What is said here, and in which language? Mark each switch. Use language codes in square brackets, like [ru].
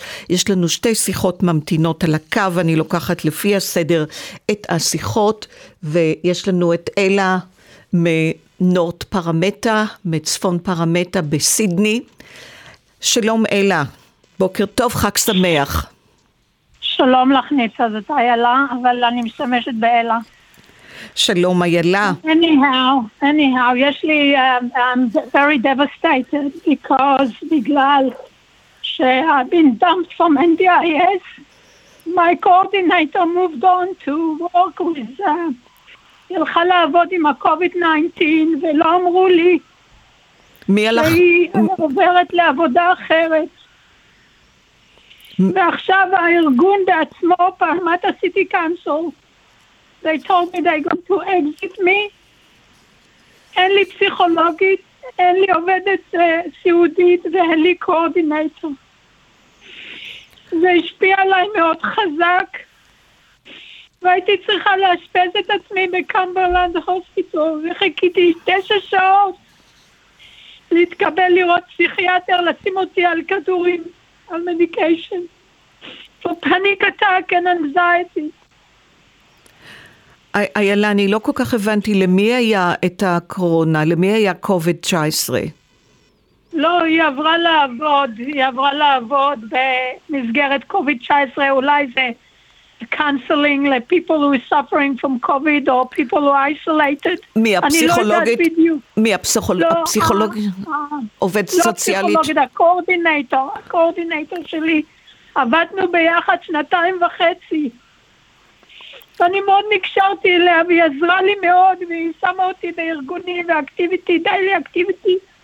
[he] יש לנו שתי שיחות ממתינות על הקו, אני לוקחת לפי הסדר את השיחות, ויש לנו את אלה נורט פרמטה, מצפון פרמטה בסידני. שלום אלה, בוקר טוב, חג שמח. שלום לך ניצה, זאת איילה, אבל אני משתמשת באלה. שלום איילה. [en] Anyhow, [he] יש לי, [en] I'm very devastated because, [he] בגלל שהיה [en] been dumped from NDIS, my coordinator moved on to work with [he] היא הלכה לעבוד עם ה-COVID-19, ולא אמרו לי. מי הלך? שהיא עוברת לעבודה אחרת. ועכשיו הארגון בעצמו, פעמת ה-City Council, [en] they told me they're going to exit me. [he] אין לי פסיכולוגית, אין לי עובדת סיעודית, ואין לי קורדינטור. זה השפיע עליי מאוד חזק. והייתי צריכה להשפז את עצמי בקמברלנד הוספיטל, וחיכיתי 9 שעות להתקבל לראות פסיכיאטר, לשים אותי על כדורים, על מדיקיישן. [en] For panic attack and anxiety. [he] איילה, אני לא כל כך הבנתי למי היה את הקורונה, למי היה COVID-19? לא, היא עברה לעבוד במסגרת COVID-19, אולי זה [en] counseling like people who are suffering from COVID or people who are isolated. [he] מי הפסיכולוגית? מי הפסיכולוגית? עובד סוציאלית? לא הפסיכולוגית, הקורדינטור שלי. עבדנו ביחד 2.5 שנים. ואני מאוד נקשרתי אליה, והיא עזרה לי מאוד, והיא שמה אותי בארגוני ואקטיביטי, דיילי אקטיביטי.